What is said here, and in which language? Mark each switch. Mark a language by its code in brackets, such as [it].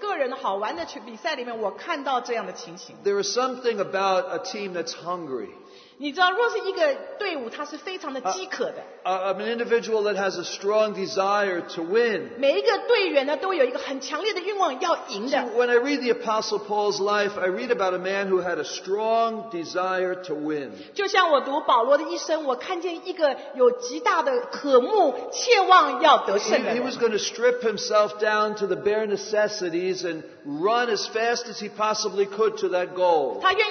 [en] There is something about a team that's hungry. [zh] 你知道，若是一个队伍，他是非常的饥渴的。 [en] I'm an individual that has a strong desire to win. [zh] 每一个队员呢，都有一个很强烈的愿望要赢的。 [en] So when I read the Apostle Paul's life, I read about a man who had a strong desire to win. [zh] 就像我读保罗的一生，我看见一个有极大的渴慕、切望要得胜的人。 [en] He was going to strip himself down to the bare necessities and run as fast as he possibly could to that goal.